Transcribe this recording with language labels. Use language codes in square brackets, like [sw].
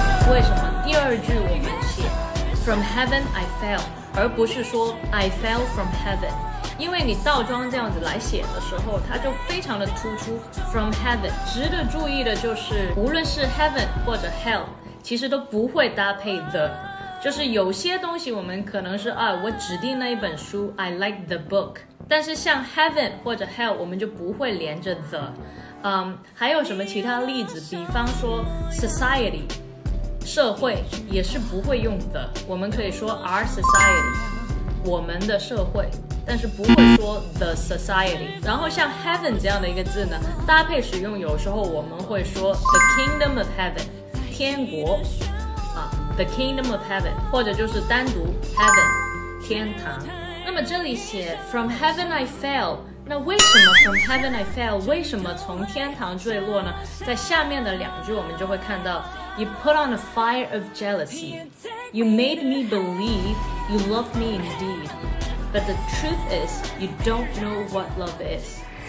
[zh] 为什么第二句我们写 [en] from heaven I fell， [zh] 而不是说 [en] I fell from heaven？ [zh] 因为你倒装这样子来写的时候，它就非常的突出 [en] from heaven。 [zh] 值得注意的就是，无论是 heaven 或者 hell。其实都不会搭配 the， 就是有些东西我们可能是啊，我指定了一本书 [en] I like the book， [zh] 但是像 heaven 或者 hell 我们就不会连着 the。还有什么其他例子，比方说 society 社会也是不会用 the， 我们可以说 [en] our society [zh] 我们的社会，但是不会说 [en] the society。 [zh] 然后像 heaven 这样的一个字呢，搭配使用有时候我们会说 [en] the kingdom of heaven， [zh] 天国啊 ，the kingdom of heaven， 或者就是单独 heaven， 天堂。那么这里写 [en] from heaven I fell， [zh] 那为什么 from heaven I fell？为什么从天堂坠落呢？在下面的两句我们就会看到 [en] ，you put on a fire of jealousy， you made me believe you love me indeed， but the truth is you don't know what love is。